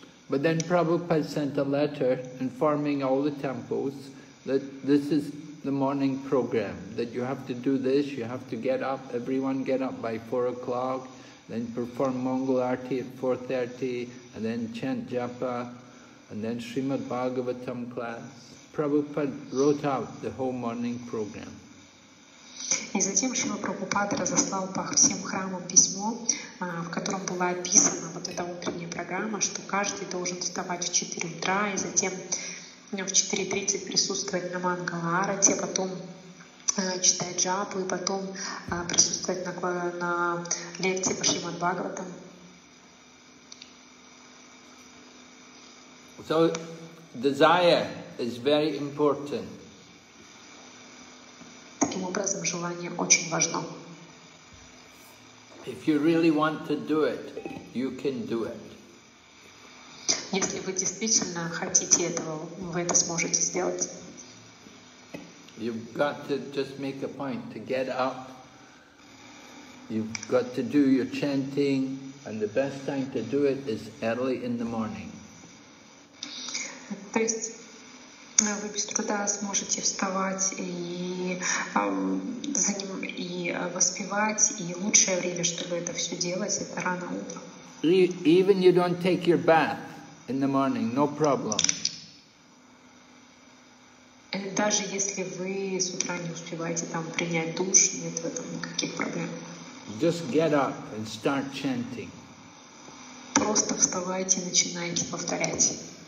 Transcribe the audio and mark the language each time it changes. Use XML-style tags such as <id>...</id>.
<en>But then Prabhupada sent a letter informing all the temples that this is the morning program, that you have to do this, you have to get up, everyone get up by 4 o'clock, then perform Mangal Aarti at 4:30, and then chant japa, and then Srimad Bhagavatam class. Prabhupada wrote out the whole morning program.</en> <ru>И затем Шрила Прабхупада разослал по всем храмам письмо, в котором была описана вот эта утренняя программа, что каждый должен вставать в 4 утра, и затем в 4:30 присутствовать на Мангал Аарти, а потом читать джапу и потом присутствовать на лекции по Шримад Бхагаватам.</ru> <en>So desire is very important.</en> <ru>Таким образом, желание очень важно.</ru> <en>If you really want to do it, you can do it.</en> <ru>Если вы действительно хотите этого, вы это сможете сделать.</ru> <en>You've got to just make a point to get up. You've got to do your chanting, and the best time to do it is early in the morning.</en> <ru>То есть вы без труда сможете вставать и воспевать, и лучшее время, чтобы это все делать, это рано утром.</ru> <en>Even you don't take your bath in the morning, no problem.</en> <ru>Даже если вы с утра не успеваете там принять душ, нет в этом никаких проблем.</ru> <en>Just get up and start chanting.</en> <ru>Просто вставайте и начинайте повторять.</ru>